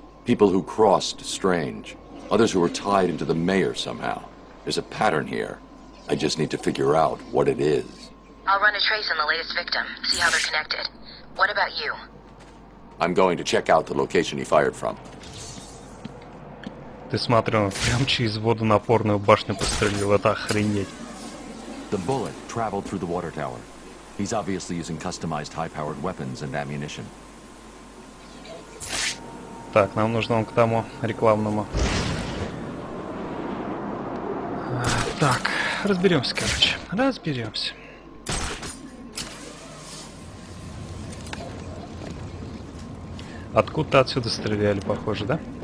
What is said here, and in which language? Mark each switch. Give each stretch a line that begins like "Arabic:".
English: People who crossed Strange. Others who were tied into the mayor somehow. There's a pattern here. I just need to figure out what it is. I'll run a trace on the latest victim, see how they're connected. What about you? I'm going to check out the location he fired from.
Russian: Ты смотрел, прям через водонапорную башню пострелил, это охренеть.
English: The bullet traveled through the water tower. He's obviously using customized high-powered weapons and ammunition.
Russian: Так, нам нужно он к тому рекламному. Так, разберемся, короче. Разберемся. Откуда-то отсюда стреляли, похоже, да?